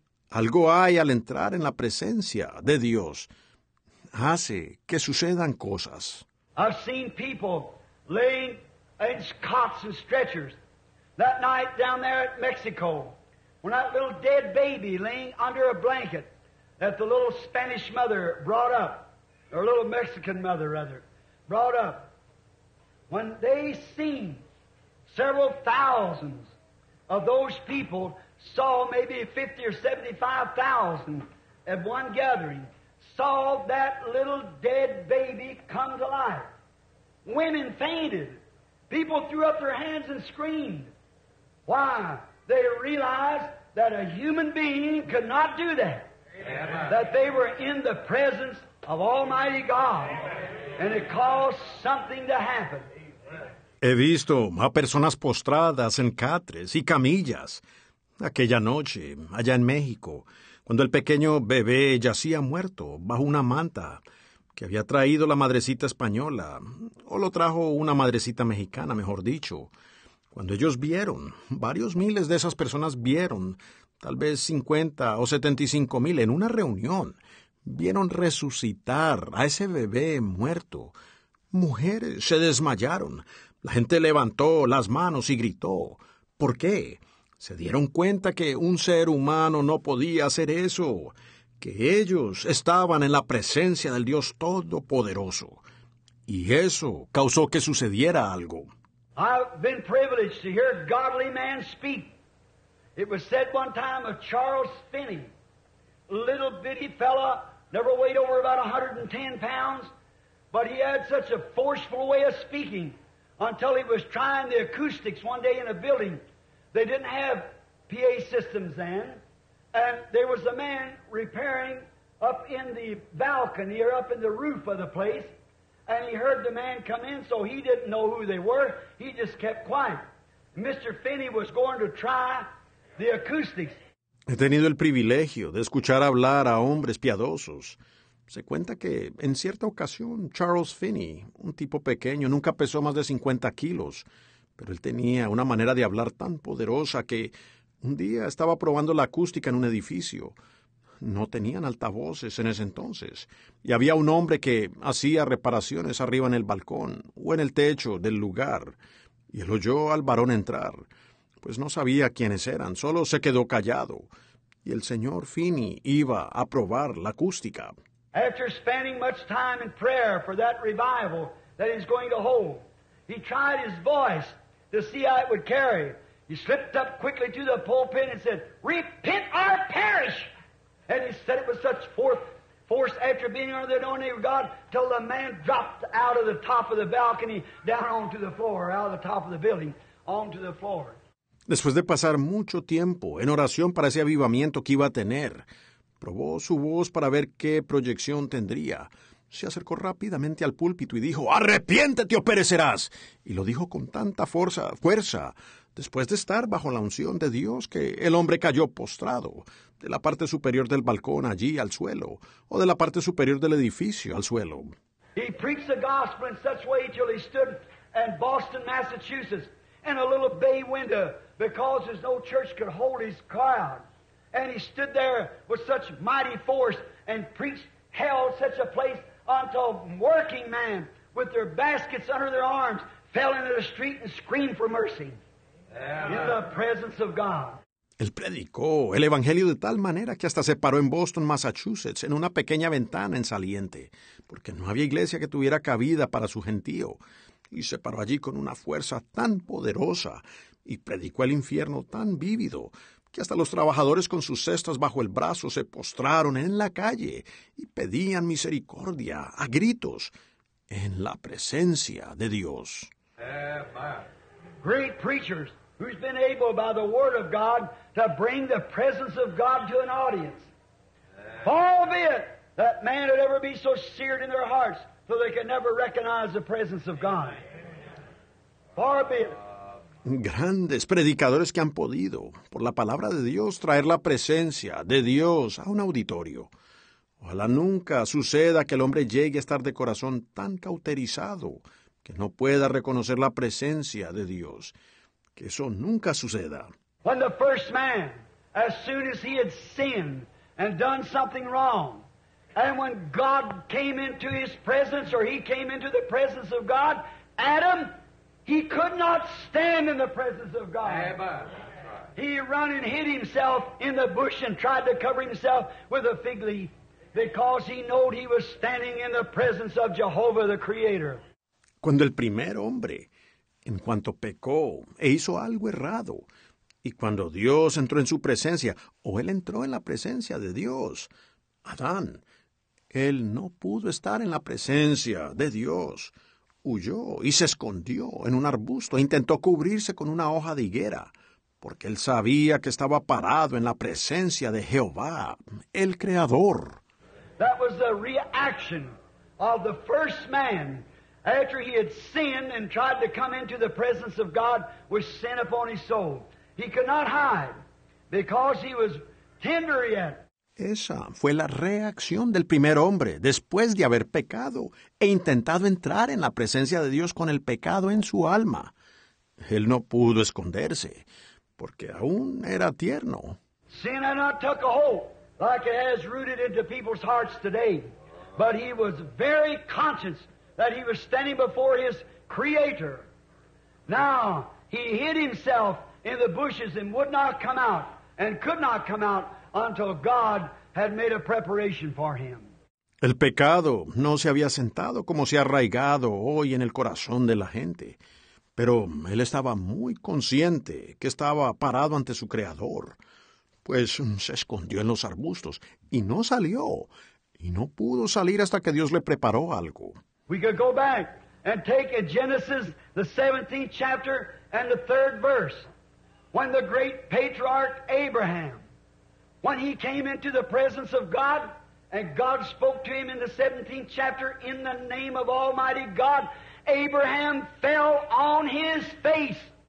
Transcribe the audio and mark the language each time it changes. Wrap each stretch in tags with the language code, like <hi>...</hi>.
<es>Algo hay al entrar en la presencia de Dios. Hace que sucedan cosas.</es> <en>I've seen people laying in cots and stretchers. That night down there at Mexico, when that little dead baby laying under a blanket that the little Spanish mother brought up, or little Mexican mother, rather, brought up, when they seen several thousands of those people, saw maybe 50 or 75,000 at one gathering, saw that little dead baby come to life. Women fainted. People threw up their hands and screamed. Why? They realized that a human being could not do that. Amen. That they were in the presence of Almighty God. And it caused something to happen.</en> <es>He visto a personas postradas en catres y camillas. Aquella noche, allá en México, cuando el pequeño bebé yacía muerto bajo una manta que había traído la madrecita española, o lo trajo una madrecita mexicana, mejor dicho. Cuando ellos vieron, varios miles de esas personas vieron, tal vez 50 o 75 mil en una reunión, vieron resucitar a ese bebé muerto. Mujeres se desmayaron. La gente levantó las manos y gritó. ¿Por qué? Se dieron cuenta que un ser humano no podía hacer eso, que ellos estaban en la presencia del Dios Todopoderoso. Y eso causó que sucediera algo.</es> <en>I've been privileged to hear godly man speak. It was said one time of Charles Finney, little bitty fella, never weighed over about 110 pounds, but he had such a forceful way of speaking until he was trying the acoustics one day in a building. They didn't have PA systems then, and there was a man repairing up in the balcony or up in the roof of the place, and he heard the man come in, so he didn't know who they were. He just kept quiet. Mr. Finney was going to try the acoustics.</en> <es>He tenido el privilegio de escuchar hablar a hombres piadosos. Se cuenta que en cierta ocasión Charles Finney, un tipo pequeño, nunca pesó más de 50 kilos, pero él tenía una manera de hablar tan poderosa que un día estaba probando la acústica en un edificio. No tenían altavoces en ese entonces, y había un hombre que hacía reparaciones arriba en el balcón o en el techo del lugar, y él oyó al varón entrar, pues no sabía quiénes eran, solo se quedó callado, y el señor Finney iba a probar la acústica.</es> <en>After spending much time in prayer for that revival that he's going to hold, he tried his voice to see how it would carry. He slipped up quickly to the pulpit and said, "Repent or perish!" And he said it with such force after being under the anointing of God till the man dropped out of the top of the balcony down onto the floor, out of the top of the building, onto the floor.</en> <es>Después de pasar mucho tiempo en oración para ese avivamiento que iba a tener, probó su voz para ver qué proyección tendría. Se acercó rápidamente al púlpito y dijo, ¡arrepiéntete o perecerás! Y lo dijo con tanta fuerza, después de estar bajo la unción de Dios, que el hombre cayó postrado de la parte superior del balcón allí al suelo, o de la parte superior del edificio al suelo.</es> <en>He preached the gospel in such way till he stood in Boston, Massachusetts, in a little bay window, because there's no church could hold his crowd. And he stood there with such mighty force and preached hell such a place until working men with their baskets under their arms fell into the street and screamed for mercy in the presence of God.</en> <es>Él predicó el evangelio de tal manera que hasta se paró en Boston, Massachusetts, en una pequeña ventana en saliente, porque no había iglesia que tuviera cabida para su gentío. Y se paró allí con una fuerza tan poderosa y predicó el infierno tan vívido que hasta los trabajadores con sus cestas bajo el brazo se postraron en la calle y pedían misericordia a gritos en la presencia de Dios.</es> <en>Great preachers who's been able by the word of God to bring the presence of God to an audience. Far be it that man would ever be so seared in their hearts so they could never recognize the presence of God. Far be it.</en> <es>Grandes predicadores que han podido, por la palabra de Dios, traer la presencia de Dios a un auditorio. Ojalá nunca suceda que el hombre llegue a estar de corazón tan cauterizado que no pueda reconocer la presencia de Dios. Que eso nunca suceda.</es> <en>When the first man, as soon as he had sinned and done something wrong, and when God came into his presence, or he came into the presence of God, Adam, he could not stand in the presence of God. He ran and hid himself in the bush and tried to cover himself with a fig leaf because he knew he was standing in the presence of Jehovah the Creator.</en> <es>Cuando el primer hombre, en cuanto pecó e hizo algo errado, y cuando Dios entró en su presencia, o él entró en la presencia de Dios, Adán, él no pudo estar en la presencia de Dios. Huyó y se escondió en un arbusto e intentó cubrirse con una hoja de higuera, porque él sabía que estaba parado en la presencia de Jehová, el Creador.</es> <en>That was the reaction of the first man after he had sinned and tried to come into the presence of God with sin upon his soul. He could not hide because he was tender yet.</en> <es>Esa fue la reacción del primer hombre después de haber pecado e intentado entrar en la presencia de Dios con el pecado en su alma. Él no pudo esconderse, porque aún era tierno.</es> <en>Sin had not took a hold like it has rooted into people's hearts today, but he was very conscious that he was standing before his Creator. Now he hid himself in the bushes and would not come out and could not come out until God had made a preparation for him.</en> <es>El pecado no se había sentado como se ha arraigado hoy en el corazón de la gente. Pero él estaba muy consciente que estaba parado ante su Creador, pues se escondió en los arbustos y no salió, y no pudo salir hasta que Dios le preparó algo.</es> <en>We could go back and take a Genesis, the 17th chapter, and the 3rd verse, when the great patriarch Abraham, when he came into the presence of God, and God spoke to him in the 17th chapter, in the name of Almighty God, Abraham fell on his face.</en>